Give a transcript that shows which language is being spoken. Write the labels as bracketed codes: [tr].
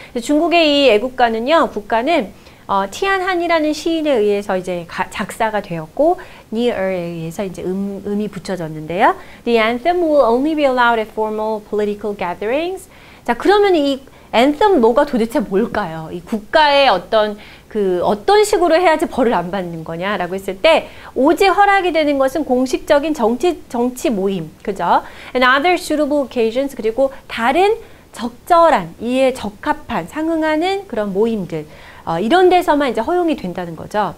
[ko] 중국의 이 애국가는요, 국가는 티안한이라는 시인에 의해서 이제 작사가 되었고 니어에 의해서 이제 음이 붙여졌는데요. [en] The anthem will only be allowed at formal political gatherings. [ko] 자, 그러면 이 anthem 뭐가 도대체 뭘까요? 이 국가의 어떤 식으로 해야지 벌을 안 받는 거냐라고 했을 때 오직 허락이 되는 것은 공식적인 정치 모임, 그죠? [en] And other suitable occasions, [ko] 그리고 다른 적절한, 이에 적합한, 상응하는 그런 모임들 이런 데서만 이제 허용이 된다는 거죠.